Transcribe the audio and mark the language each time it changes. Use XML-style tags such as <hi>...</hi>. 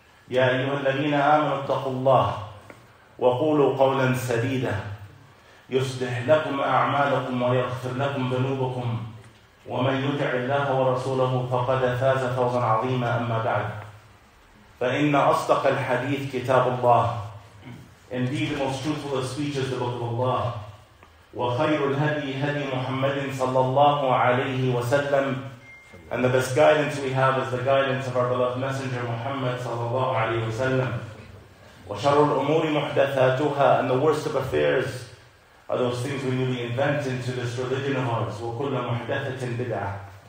<ar>يا أيها الذين آمنوا اتقوا الله وقولوا قولا سديدا يصلح لكم أعمالكم ويغفر لكم ذنوبكم ومن يطع الله ورسوله فقد فاز فوزا عظيما. أما بعد فإن أصدق الحديث كتاب الله.</ar> <en>Indeed the most truthful of speech is the book of Allah.</en> <ar>وخير الهدي هدي محمد صلى الله عليه وسلم.</ar> <en>And the best guidance we have is the guidance of our beloved messenger Muhammad صلى الله عليه وسلم.</en> <ar>وشر الأمور محدثاتها.</ar> <en>And the worst of affairs are those things we newly invent into this religion of ours.</en> <ar>وكل محدثة بدعة.</ar>